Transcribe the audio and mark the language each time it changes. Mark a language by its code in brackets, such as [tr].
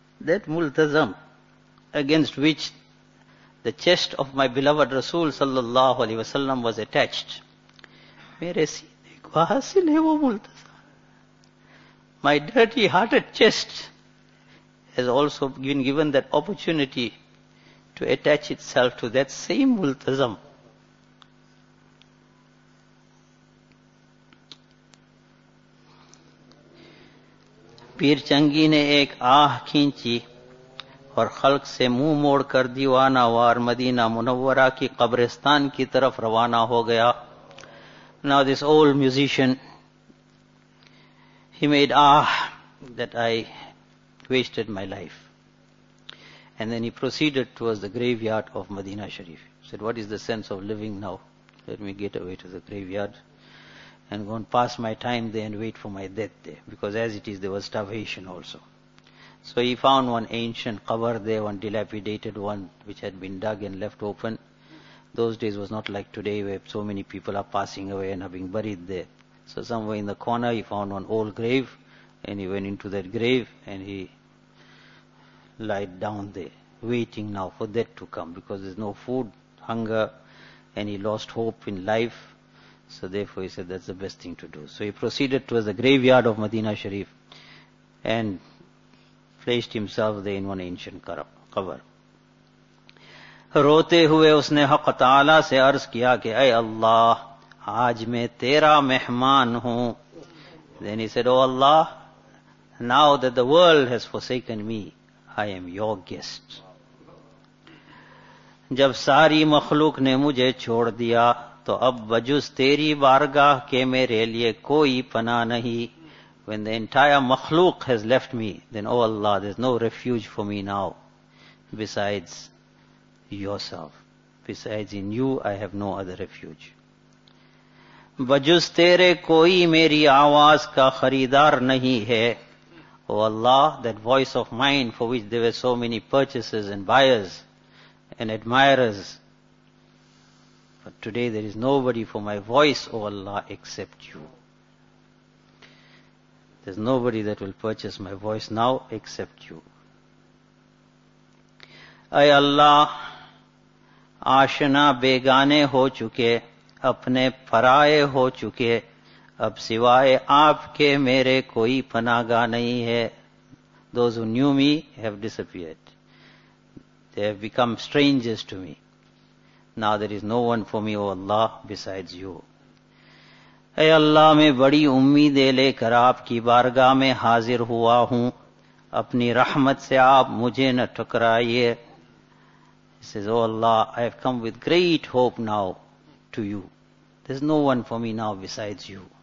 [en] That ملتزم against which the chest of my beloved Rasul صلی اللہ علیہ وسلم was attached. [ur] میرے سینے حاصل ہے وہ ملتزم. [en] My dirty hearted chest has also been given that opportunity to attach itself to that same ملتزم. [ur] پیر چنگی نے ایک آہ کھینچی اور خلق سے منہ موڑ کر دیوانہ وار مدینہ منورہ کی قبرستان کی طرف روانہ ہو گیا. [en] Now this old musician, he made ah that I wasted my life. And then he proceeded towards the graveyard of Madina Sharif. He said, "What is the sense of living now? Let me get away to the graveyard and go and pass my time there and wait for my death there." Because as it is, there was starvation also. So he found one ancient qabr there, one dilapidated one, which had been dug and left open. Those days was not like today where so many people are passing away and are being buried there. So somewhere in the corner he found one old grave and he went into that grave and he lied down there waiting now for death to come because there's no food, hunger, and he lost hope in life. So therefore he said that's the best thing to do. So he proceeded towards the graveyard of Madina Sharif and placed himself there in one ancient qabr. [ur] روتے ہوئے اس نے حق تعالیٰ سے عرض کیا کہ اے اللہ آج میں تیرا مہمان ہوں. [en] Then he said, "Oh Allah, now that the world has forsaken me, I am your guest." [ur] جب ساری مخلوق نے مجھے چھوڑ دیا تو اب بجز تیری بارگاہ کے میرے لیے کوئی پناہ نہیں. [en] When the entire مخلوق has left me, then oh Allah, there's no refuge for me now besides yourself. Besides in you, I have no other refuge. [ur] بجز تیرے کوئی میری آواز کا خریدار نہیں ہے. [en] Oh Allah, that voice of mine for which there were so many purchasers and buyers and admirers. But today there is nobody for my voice, oh Allah, except you. There's nobody that will purchase my voice now except you. [ur] اے اللہ آشنا بیگانے ہو چکے اپنے پرائے ہو چکے اب سوائے آپ کے میرے کوئی پناہ گاہ نہیں ہے. [en] Those who knew me have disappeared. They have become strangers to me. Now there is no one for me, O Allah, besides you. [ur] اے اللہ میں بڑی امیدیں لے کر آپ کی بارگاہ میں حاضر ہوا ہوں اپنی رحمت سے آپ مجھے نہ ٹکرائیے. [en] He says, "Oh Allah, I have come with great hope now to you. There's no one for me now besides you.